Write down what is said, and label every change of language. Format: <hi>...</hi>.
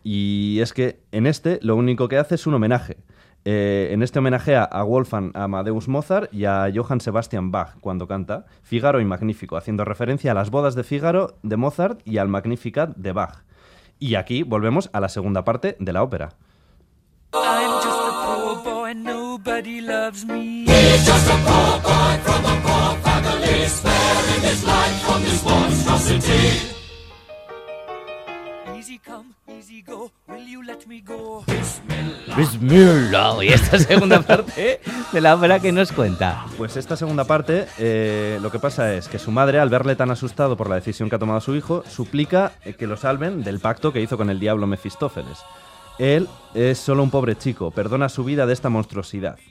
<es>Y es que en este lo único que hace es un homenaje. En este homenajea a Wolfgang Amadeus Mozart y a Johann Sebastian Bach cuando canta Fígaro y Magnífico, haciendo referencia a las bodas de Fígaro de Mozart y al Magnificat de Bach. Y aquí volvemos a la segunda parte de la ópera.</es> <en>I'm just a poor boy and nobody loves me. He's just a poor boy from a poor family, sparing his life from this monstrosity. Easy come, easy go, will you let me go?</en> <ar>Bismillah.</ar> <es>Y esta segunda parte de la ópera, ¿qué nos cuenta? Pues esta segunda parte, lo que pasa es que su madre, al verle tan asustado por la decisión que ha tomado su hijo, suplica que lo salven del pacto que hizo con el diablo Mefistófeles. Él es solo un pobre chico, perdona su vida de esta monstruosidad.</es>